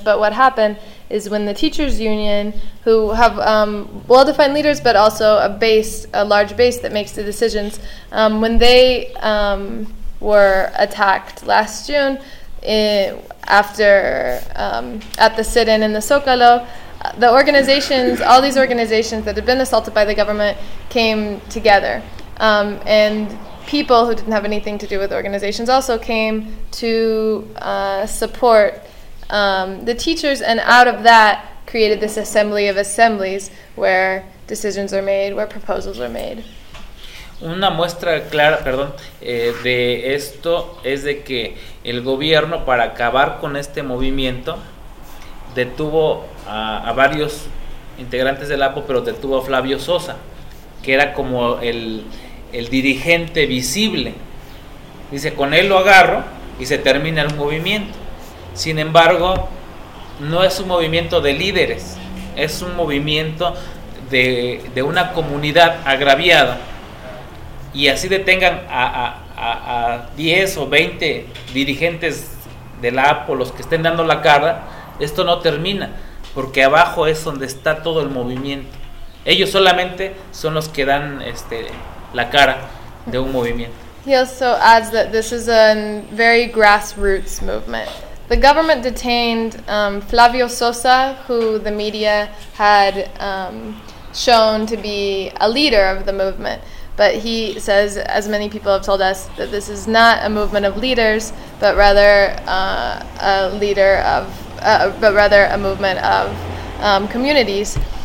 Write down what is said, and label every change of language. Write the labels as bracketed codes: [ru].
[en] But what happened is when the teachers' union, who have well-defined leaders but also a large base that makes the decisions, when they were attacked last June at the sit-in in the Zócalo, the organizations, all these organizations that had been assaulted by the government, came together. And people who didn't have anything to do with organizations also came to support the teachers, and out of that created this assembly of assemblies where decisions are made, where proposals are made. [es] Una muestra clara, perdón, de esto es de que el gobierno, para acabar con este movimiento, detuvo a varios integrantes del APO, pero detuvo a Flavio Sosa, que era como el dirigente visible. Dice, con él lo agarro y se termina el movimiento. Sin embargo, no es un movimiento de líderes, es un movimiento de una comunidad agraviada. Y así detengan a 10 o 20 dirigentes del APO, los que estén dando la cara, esto no termina, porque abajo es donde está todo el movimiento. Ellos solamente son los que dan la cara de un movimiento. [en] He also adds that this is a very grassroots movement. The government detained Flavio Sosa, who the media had shown to be a leader of the movement. But he says, as many people have told us, that this is not a movement of leaders, but rather a movement of communities.